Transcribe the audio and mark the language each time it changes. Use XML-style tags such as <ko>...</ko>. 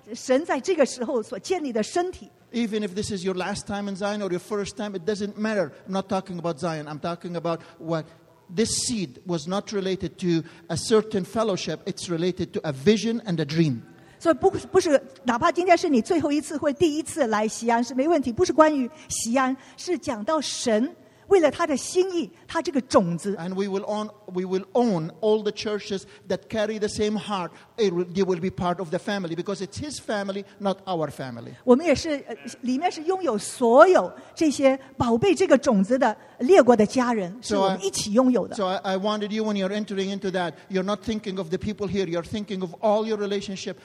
<zh>不是说你加入某一个圈子，乃是说神在这个时候所建立的身体。</zh> <en>Even if this is your last time in Zion or your first time, it doesn't matter. I'm not talking about Zion. I'm talking about what this seed was not related to a certain fellowship, it's related to a vision and a dream.</en> <zh>So, 不是哪怕今天是你最后一次或第一次来西安是没问题，不是关于西安，是讲到神为了他的心意，他这个种子。</zh> <en>And we will own all the churches that carry the same heart, they will be part of the family because it's his family, not our family.</en> <zh>我们也是里面是拥有所有这些宝贝这个种子的。列国的家人是我们一起拥有的。</zh> <en>So I wanted you, when you're entering into that, you're not thinking of the people here, you're thinking of all your relationship.</en>